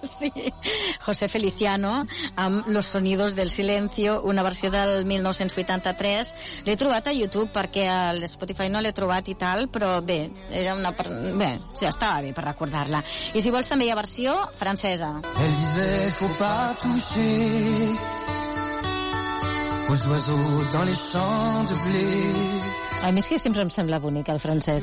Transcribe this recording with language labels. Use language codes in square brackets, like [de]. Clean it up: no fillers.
[ca] Sí, José Feliciano, amb Los Sonidos del Silencio, una versió del 1983. L'he trobat a YouTube perquè a Spotify no l'he trobat i tal, però bé, era una... bé, sí, estava bé per recordar-la. I si vols també hi ha versió francesa. [fr] Elle disait, faut pas toucher aux oiseaux dans les champs de blé. [ca] A mi és que sempre em sembla bonic el francès.